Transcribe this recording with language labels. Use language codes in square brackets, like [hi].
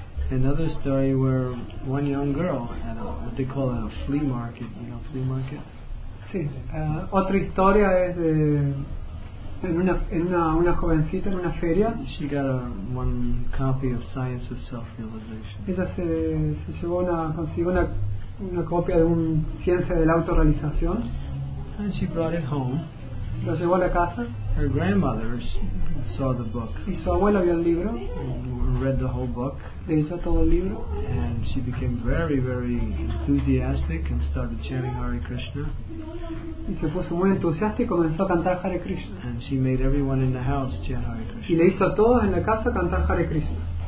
[en] Another story where one young girl had what they call a flea market. You know, flea market. [es] Sí. Otra historia es de en una jovencita en una feria. [en] She got one copy of Science of Self-Realization. [es] Ella se llevó una consiguió una copia de un Ciencia de la Autorrealización. [en] And she brought it home. [es] lo llevó a la casa. [en] Her grandmother saw the book. [es] Y su abuela vio el libro. [en] Read the whole book. [es] Leyó todo el libro. [en] And she became very, very enthusiastic and started chanting Hare Krishna. [es] Y se puso muy entusiasta y comenzó a cantar Hare Krishna. [en] And she made everyone in the house chant Hare Krishna. [es] Y le hizo a todos en la casa cantar Hare Krishna.